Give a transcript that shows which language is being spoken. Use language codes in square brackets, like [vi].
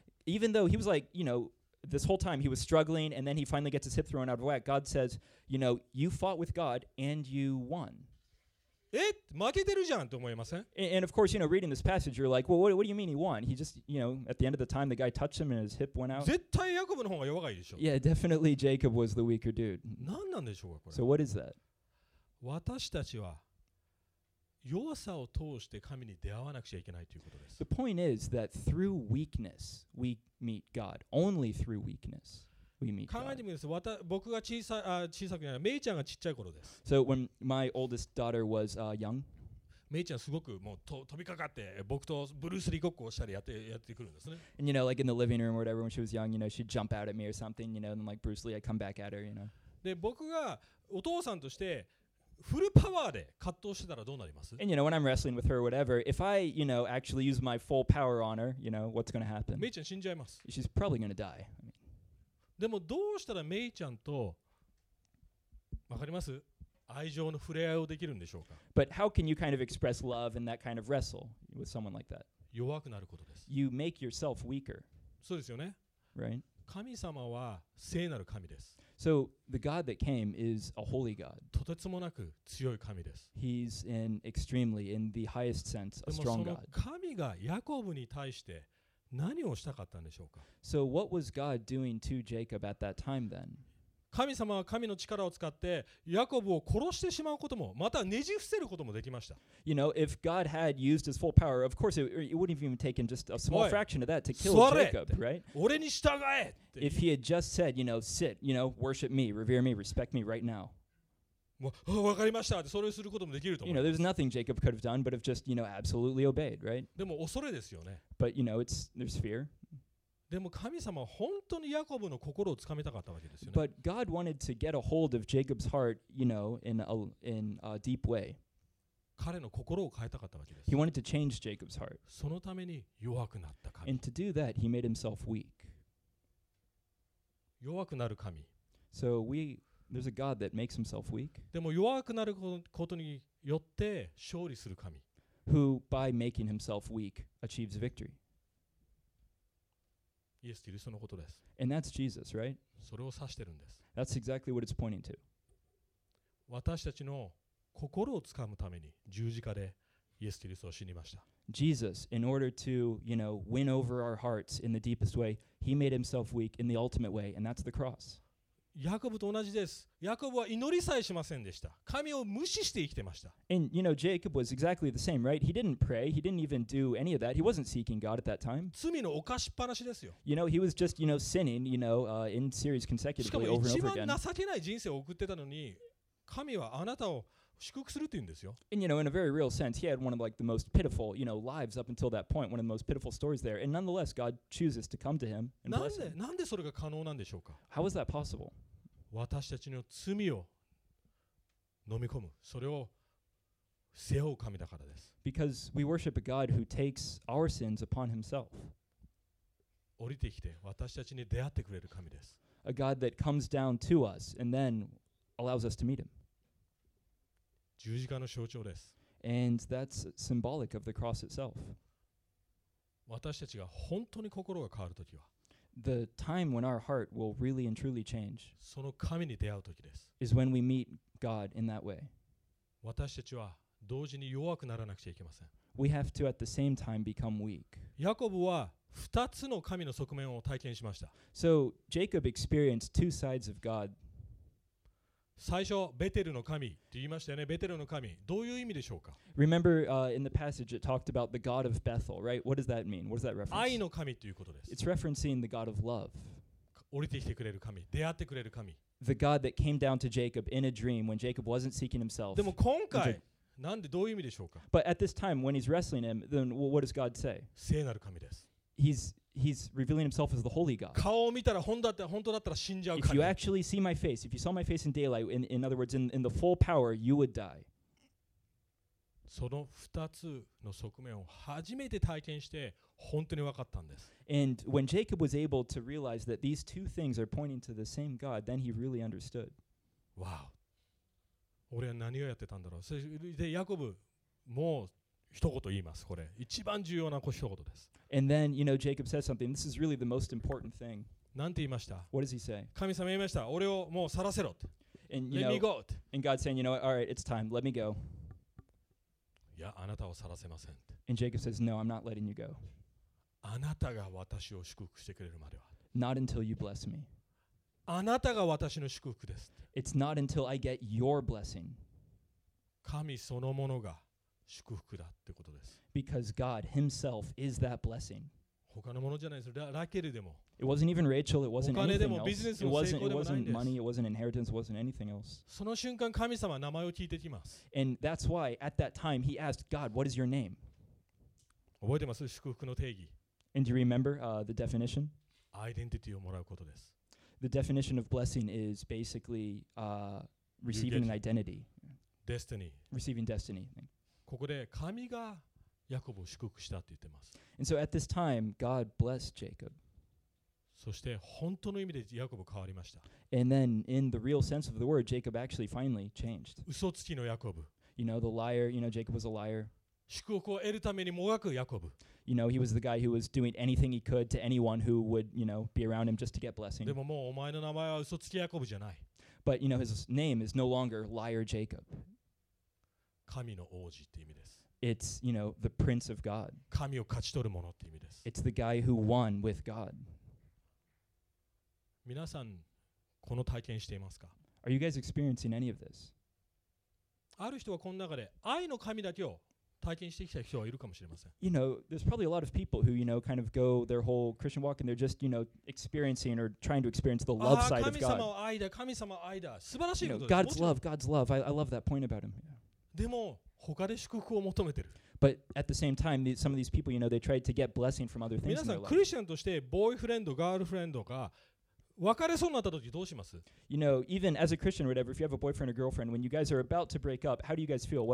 [en] Even though he was like, you know, this whole time he was struggling and then he finally gets his hip thrown out of whack, God says, you know, you fought with God and you won. It? [ja] 負けてるじゃんと思いません? [en] And of course, you know, reading this passage, you're like, well, what do you mean he won? He just, you know, at the end of the time, the guy touched him and his hip went out. [ja] 絶対ヤコブの方が弱いでしょ? [en] Yeah, definitely Jacob was the weaker dude. [ja] 何なんでしょうかこれ? [en] So what is that? [ja] 私たちは弱さを通して神に出会わなくちゃいけないということです。 [en] The point is that through weakness we meet God. Only through weakness we meet God. [ja] 考えてみます。僕が小さくない。メイちゃんがちっちゃい頃です。 [en] So when my oldest daughter was young, [ja] メイちゃんすごくもう飛びかかって僕とブルースリーごっこをしたりやってくるんですね。 [en] And you know, like in the living room or whatever when she was young, you know, she'd jump out at me or something, you know, and like Bruce Lee, I'd come back at her, you know. [ja] で僕がお父さんとしてフルパワーで葛藤してたらどうなります? [en] And you know, when I'm wrestling with her or whatever, if I, you know, actually use my full power on her, you know, what's going to happen? [ja] メイちゃん死んじゃいます。 [en] She's probably going to die. I mean. [ja] でもどうしたらメイちゃんと、わかります? 愛情の触れ合いをできるんでしょうか? [en] But how can you kind of express love and that kind of wrestle with someone like that? [ja] 弱くなることです。 [en] You make yourself weaker. [ja] そうですよね。 [en] Right? [ja] 神様は聖なる神です。 [en] So the God that came is a holy God. [ja] とてつもなく強い神です。 [en] He's an extremely, in the highest sense, a strong God. [ja] でもその神がヤコブに対して何をしたかったんでしょうか? [en] So what was God doing to Jacob at that time then? [ja] 神様は神の力を使ってヤコブを殺してしまうことも、またねじ伏せることもできました。 [en] You know, if God had used his full power, of course it wouldn't have even taken just a small fraction of that to kill Jacob, right? [ja] 俺に従え! [en] If he had just said, you know, sit, you know, worship me, revere me, respect me right now. [ja] わかりました。それをすることもできると思う。 [en] You know, there's nothing Jacob could have done but have just, you know, absolutely obeyed, right? [ja] でも恐れですよね。 [en] But, you know, there's fear. [ja] でも神様は本当にヤコブの心をつかめたかったわけですよね。 [en] But God wanted to get a hold of Jacob's heart, you know, in a deep way. [ja] 彼の心を変えたかったわけです。 [en] He wanted to change Jacob's heart. [ja] そのために弱くなった神。 [en] And to do that, he made himself weak. [ja] 弱くなる神。 [en] So there's a God that makes himself weak. [ja] でも弱くなることによって勝利する神。 [en] Who, by making himself weak, achieves victory. [ja] イエス・キリストのことです。 [en] And that's Jesus, right? [ja] それを指してるんです。 [en] That's exactly what it's pointing to. [ja] 私たちの心をつかむために十字架でイエス・キリストを死にました。 [en] Jesus, in order to, you know, win over our hearts in the deepest way, he made himself weak in the ultimate way, and that's the cross. [ja] ヤコブと同じです。ヤコブは祈りさえしませんでした。神を無視して生きてました。 [en] And you know, Jacob was exactly the same, right? He didn't pray. He didn't even do any of that. He wasn't seeking God at that time. [ja] 罪の犯しっぱなしですよ。 [en] You know, he was just, you know, sinning, you know, in series consecutively over and over again. [ja] しかも一番情けない人生を送ってたのに、神はあなたを祝福するって言うんですよ。 [en] And you know, in a very real sense, he had one of like the most pitiful, you know, lives up until that point, one of the most pitiful stories there. And nonetheless, God chooses to come to him and bless him. [ja] なんでそれが可能なんでしょうか? [en] How is that possible? [ja] 私たちの罪を飲み込む、それを背負う神だからです。 [en] Because we worship a God who takes our sins upon himself. [ja] 降りてきて私たちに出会ってくれる神です。 [en] A God that comes down to us and then allows us to meet him. [ja] 十字架の象徴です。 [en] And that's symbolic of the cross itself. [ja] 私たちが本当に心が変わるときは、 [en] The time when our heart will really and truly change [ja] その神に出会う時です。 [en] is when we meet God in that way. [ja] 私たちは同時に弱くならなくちゃいけません。 [en] We have to at the same time become weak. [ja] ヤコブは2つの神の側面を体験しました。 [en] So Jacob experienced two sides of God. [ja] 最初、ベテルの神って言いましたよね。ベテルの神。どういう意味でしょうか? [en] Remember, in the passage, it talked about the God of Bethel, right? What does that mean? What does that reference? [ja] 愛の神ということです。 [en] It's referencing the God of love. [ja] 降りてきてくれる神、出会ってくれる神。 [en] The God that came down to Jacob in a dream when Jacob wasn't seeking himself. [ja] でも今回、なんでどういう意味でしょうか? [en] But at this time, when he's wrestling him, then what does God say? [ja] 聖なる神です。 [en] He's revealing himself as the holy God. [ja] 顔を見たら本当だった、本当だったら死んじゃう神。 [en] If you actually see my face, if you saw my face in daylight, in other words, in the full power, you would die. [ja] その2つの側面を初めて体験して本当に分かったんです。 [en] And when Jacob was able to realize that these two things are pointing to the same God, then he really understood. Wow. [ja] 俺は何をやってたんだろう。で、ヤコブ、もう一言言います。これ、一番重要な一言です。 [en] And then, you know, Jacob says something. This is really the most important thing. [ja] なんて言いました? [en] What does he say? [ja] 神様言いました。俺をもう去らせろ。 [en] And, you Let know, me go. And God's saying, you know what? All right, it's time. Let me go. [ja] いや、あなたを去らせません。 [en] And Jacob says, No, I'm not letting you go. [ja] あなたが私を祝福してくれるまでは。 [en] Not until you bless me. [ja] あなたが私の祝福です。 [en] It's not until I get your blessing. [ja] 神そのものが祝福だってことです。 [en] Because God himself is that blessing. [ja] 他のものじゃないです。ラケルでも。 [en] It wasn't even Rachel, it wasn't anything else. It wasn't money, it wasn't inheritance, it wasn't anything else. [ja] その瞬間神様は名前を聞いてきます。 [en] And that's why at that time he asked God, what is your name? [ja] 覚えてます?祝福の定義。 [en] And do you remember the definition? [ja] Identity をもらうことです。 [en] The definition of blessing is basically receiving an identity. Destiny. Receiving destiny. [ja] ここで神がヤコブを祝福したって言ってます。 [en] And so at this time, God blessed Jacob. [ja] そして本当の意味でヤコブ変わりました。 [en] And then, in the real sense of the word, Jacob actually finally changed. [ja] 嘘つきのヤコブ。 [en] You know, the liar, you know, Jacob was a liar. [ja] 祝福を得るためにもがくヤコブ。 [en] You know, he was the guy who was doing anything he could to anyone who would, you know, be around him just to get blessing. [ja] でももうお前の名前は嘘つきヤコブじゃない。 [en] But, you know, his name is no longer liar Jacob. [ja] 神の王子って意味です。 [en] It's, you know, the prince of God. [ja] 神を勝ち取る者って意味です。 [en] It's the guy who won with God. [ja] 皆さんこの体験していますか? [en] Are you guys experiencing any of this? [ja] ある人はこの中で愛の神だけを体験してきた人はいるかもしれません。 [en] You know, there's probably a lot of people who, you know, kind of go their whole Christian walk and they're just, you know, experiencing or trying to experience the love side of God. [ja] 神様愛だ、神様愛だ。素晴らしいことです。 [en] God's love, God's love. I love that point about him. [ja] でも他で祝福を求めてる。 [en] But at the same time, some of these people, you know, they tried to get blessing from other things in their life. [ja] 皆さんクリスチャンとしてボーイフレンド、ガールフレンドが別れそうになった時どうします? [en] You know, even as a Christian or whatever, if you have a boyfriend or girlfriend, when you guys are about to break up, how do you guys feel?